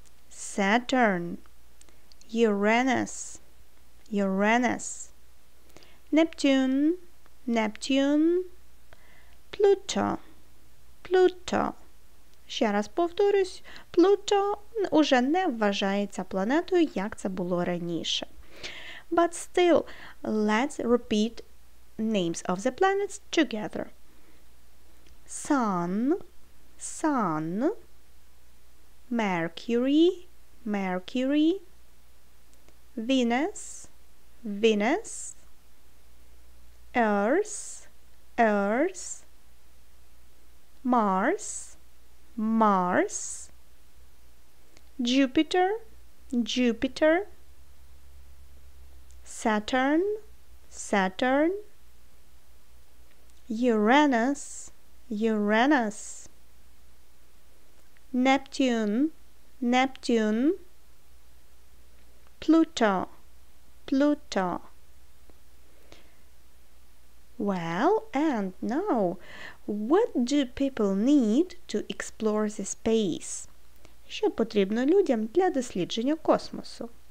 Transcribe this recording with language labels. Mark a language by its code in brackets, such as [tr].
[en] Saturn. Uranus. Uranus. Neptune. Neptune. Pluto. Pluto. [uk] Ще раз повторюсь, Pluto уже не вважається планетою, як це було раніше. [en] But still, let's repeat names of the planets together. Sun. Sun. Mercury. Mercury. Venus, Venus, Earth, Earth, Mars, Mars, Jupiter, Jupiter, Saturn, Saturn, Uranus, Uranus, Neptune, Neptune, Pluto, Pluto. Well, and now, what do people need to explore the space? [uk] Що потрібно людям для дослідження космосу?